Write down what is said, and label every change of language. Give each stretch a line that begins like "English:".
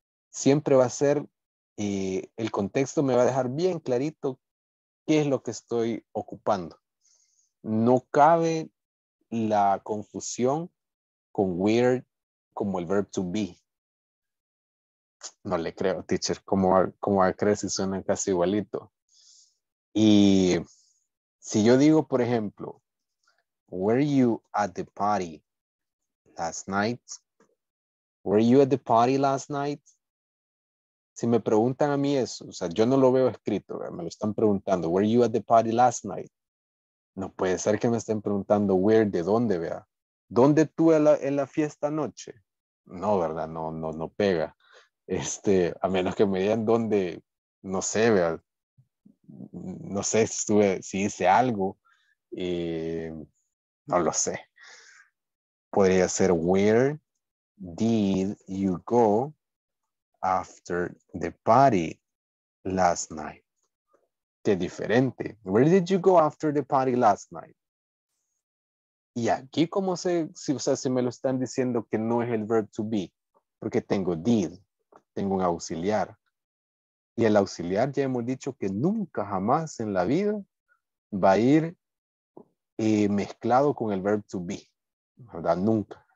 Spanish: Siempre va a ser, el contexto me va a dejar bien clarito qué es lo que estoy ocupando. No cabe la confusión con where como el verb to be. No le creo, teacher, ¿cómo va a creer si suena casi igualito? Y si yo digo, por ejemplo,
English: were you at the party last night? Were you at the party last night?
Spanish: Si me preguntan a mí eso, o sea, yo no lo veo escrito, ¿verdad? Me lo están preguntando,
English: were you at the party last night?
Spanish: No puede ser que me estén preguntando where, de dónde, vea. ¿Dónde tú en la fiesta anoche? No, ¿verdad? No pega. A menos que me digan dónde, no sé, vea, no sé si hice algo, no lo sé. Podría ser,
English: where did you go after the party last night?
Spanish: Qué diferente.
English: Where did you go after the party last night?
Spanish: Y aquí, ¿cómo sé si me lo están diciendo que no es el verb to be? Porque tengo did. Tengo un auxiliar. Y el auxiliar ya hemos dicho que nunca jamás en la vida va a ir mezclado con el verb to be. ¿Verdad? Nunca.